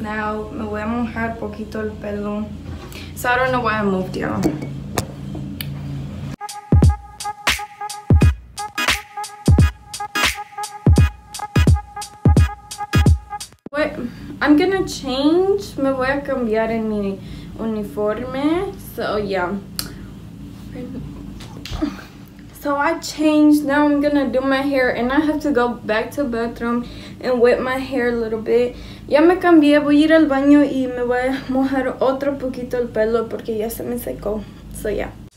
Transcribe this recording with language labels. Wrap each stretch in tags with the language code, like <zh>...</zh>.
<en>Now</en> <es>me voy a mojar poquito el pelo.</es> <en>So I don't know why I moved y'all. But I'm gonna change.</en> <es>Me voy a cambiar en mi uniforme.</es> <en>So yeah. So I changed, now I'm gonna do my hair, and I have to go back to the bathroom and wet my hair a little bit.</en> <es>Ya me cambié, voy a ir al baño y me voy a mojar otro poquito el pelo porque ya se me secó.</es> <en>So yeah.</en>